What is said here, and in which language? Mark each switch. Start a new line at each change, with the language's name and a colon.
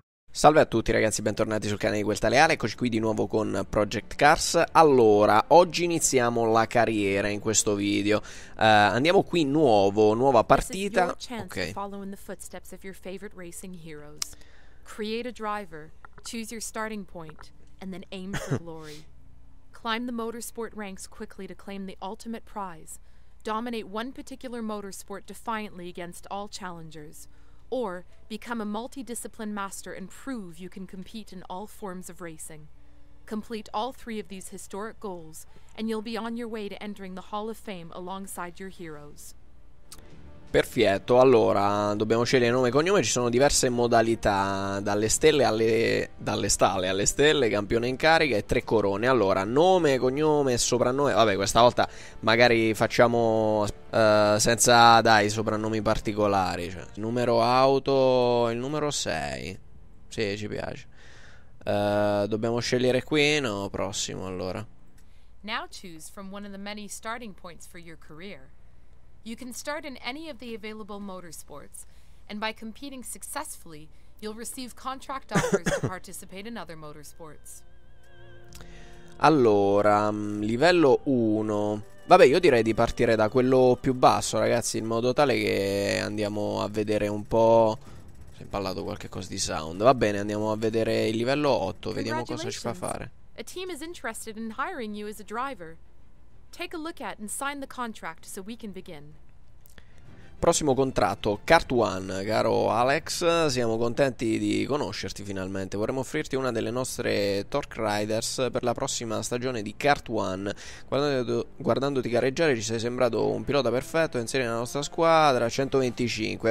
Italian: Salve a tutti ragazzi, bentornati sul canale di Quel Taleale, eccoci qui di nuovo con Project Cars. Allora, oggi iniziamo la carriera in questo video. Andiamo qui nuova
English: This is your
Italian: partita.
English: chance to
Italian: Ok.
English: follow in the footsteps of your favorite racing heroes. Create a driver, choose your starting point, and then aim for glory. Climb the motorsport ranks quickly to claim the ultimate prize. Dominate one particular motorsport defiantly against all challengers. Or become a multidiscipline master and prove you can compete in all forms of racing. Complete all three of these historic goals, and you'll be on your way to entering the Hall of Fame alongside your heroes.
Italian: Perfetto, allora dobbiamo scegliere nome e cognome, ci sono diverse modalità, dalle stalle alle stelle, campione in carica e tre corone. Allora, nome, cognome, soprannome, vabbè questa volta magari facciamo senza, dai, soprannomi particolari, cioè, numero auto, il numero 6, sì, ci piace. Dobbiamo scegliere qui, no, prossimo allora.
English: Now choose from one of the many starting points for your career. You can start in any of the available motorsports, and by competing successfully, you'll receive contract offers to participate in other motorsports.
Italian: Allora, livello 1. Vabbè, io direi di partire da quello più basso, ragazzi, in modo tale che andiamo a vedere un po'. Si è impallato qualche cosa di sound. Va bene, andiamo a vedere il livello 8, vediamo cosa ci fa
English: Congratulations!
Italian: fare.
English: A team is interested in hiring you as a driver. Take a look at and sign the contract so we can begin.
Italian: Prossimo contratto, Kart One, caro Alex, siamo contenti di conoscerti finalmente. Vorremmo offrirti una delle nostre Torque Riders per la prossima stagione di Kart One. Guardandoti gareggiare, ci sei sembrato un pilota perfetto, inserire nella nostra squadra 125.